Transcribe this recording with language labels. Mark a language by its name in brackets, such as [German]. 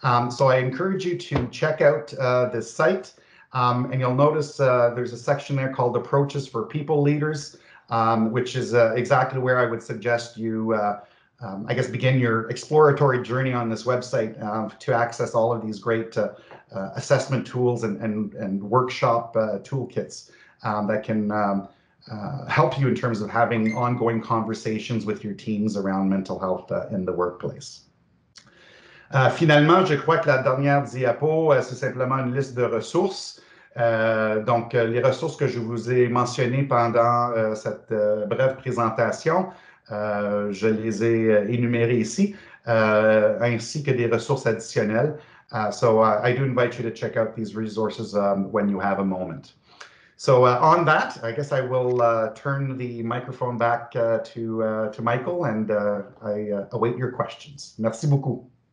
[English] So I encourage you to check out this site, and you'll notice there's a section there called Approaches for People Leaders, which is exactly where I would suggest you, begin your exploratory journey on this website to access all of these great assessment tools and workshop toolkits that can help you in terms of having ongoing conversations with your teams around mental health in the workplace. [French] Finalement, je crois que la dernière diapo, c'est simplement une liste de ressources. Donc, les ressources que je vous ai mentionnées pendant cette brève présentation, je les ai énumérées ici. ainsi que des ressources additionnelles. [English] I do invite you to check out these resources when you have a moment. So on that, I guess I will turn the microphone back to Michael, and I await your questions. [French] Merci beaucoup.